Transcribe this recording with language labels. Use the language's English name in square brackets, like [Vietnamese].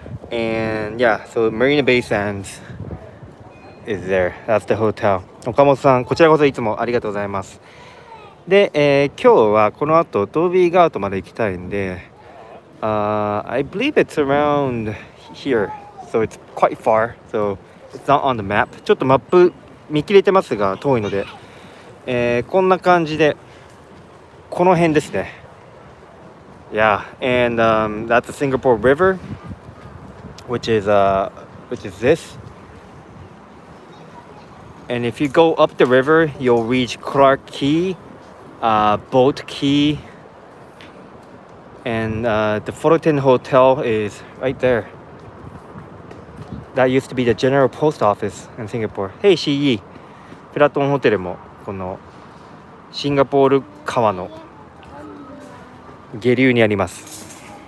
[English] And yeah, so Marina Bay Sands is there. That's the hotel. [Japanese] 岡本さん、こちらこそいつもありがとうございます。で、今日はこの後、ドービーガートまで行きたいんで、 [English] I believe it's around here. So it's quite far. So it's not on the map. [Japanese] ちょっとマップ見切れてますが遠いので、こんな感じでこの辺ですね。 [English] Yeah, and that's the Singapore River, which is this. And if you go up the river, you'll reach Clark Quay, Boat Quay, and the Fullerton Hotel is right there. That used to be the General Post Office in Singapore. Hey, Shi Yi. [Japanese] プラトンホテルもこのシンガポール川の下流にあります。